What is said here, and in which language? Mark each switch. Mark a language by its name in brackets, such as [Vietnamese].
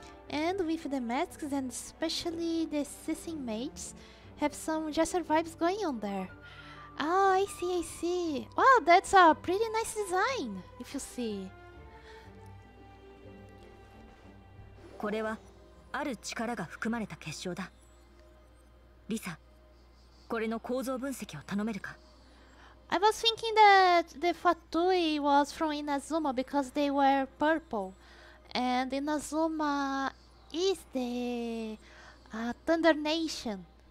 [English] And with the masks and especially the sissing mages, have some jester vibes going on there. Oh, I see. Wow, that's a pretty nice design, if you see. [Japanese] これはある力が含まれた結晶だ。リサ、これの構造分析を頼めるか。 [English] I was thinking that the Fatui was from Inazuma because they were purple, and Inazuma is the Thunder Nation.